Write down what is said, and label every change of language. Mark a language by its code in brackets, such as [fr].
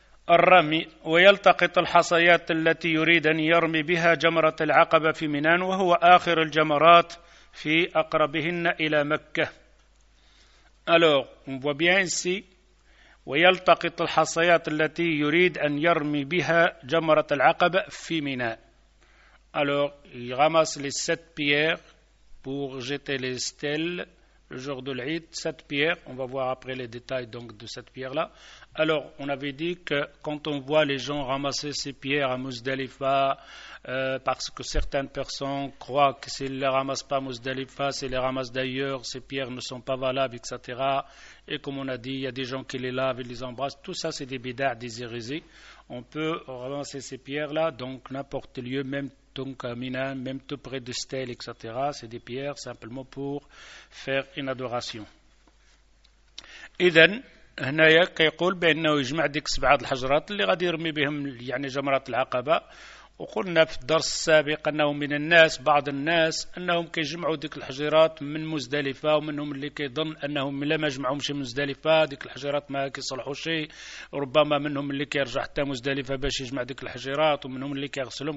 [ar] الرمي ويلتقط الحصيات التي يريد أن يرمي بها جمرة العقبة في ميناء، وهو آخر الجمرات في أقربهن إلى مكة. [fr] Alors, on voit bien ici, [ar] ويلتقط الحصيات التي يريد أن يرمي بها جمرة العقبة في ميناء. [fr] Alors, il ramasse les sept pierres pour jeter les stèles le jour de l'Aïd, cette pierre. On va voir après les détails donc de cette pierre-là. Alors, on avait dit que quand on voit les gens ramasser ces pierres à Muzdalifa, parce que certaines personnes croient que s'ils ne les ramassent pas à Muzdalifa, s'ils les ramassent d'ailleurs, ces pierres ne sont pas valables, etc. Et comme on a dit, il y a des gens qui les lavent et les embrassent. Tout ça, c'est des bidards, des hérésies. On peut ramasser ces pierres-là, donc n'importe lieu, même donc à Mina, même tout près de stèles, etc. C'est des pierres simplement pour faire une adoration. [ar] إذن هنايا كيقول بأنه يجمع ديك سبعة الحجرات اللي غادي يرمي بهم يعني جمرات العقبة. وقلنا في الدرس السابق أنه من الناس، بعض الناس أنهم كيجمعوا ديك الحجرات من مزدلفة، ومنهم اللي كيظن أنهم لا ما جمعهمش من مزدلفة ديك الحجرات ما كيصلحوا شيء، ربما منهم اللي كيرجع حتى مزدلفة باش يجمع ديك الحجرات، ومنهم اللي كيغسلهم.